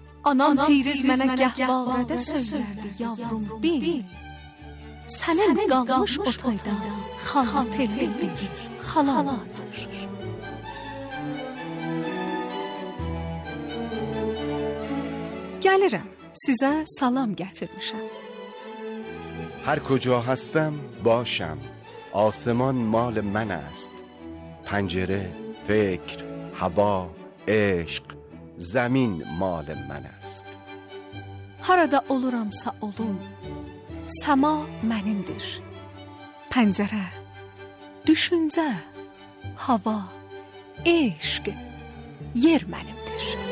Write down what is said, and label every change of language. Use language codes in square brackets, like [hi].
[az] Anam Piriz mənə gəhbarədə söylərdi, yavrum bil. Sənin qalmış otayda xatirədir, xalalardır. Gəlirəm, sizə salam gətirmişəm. [fa] هر کجا هستم باشم، آسمان مال من است، پنجره، فکر، هوا، عشق، زمین مال من است. [az] هرده اولورامسا اولوم سما منیمدیر. پنجره دوشونزه هوا عشق یر منیمدیر.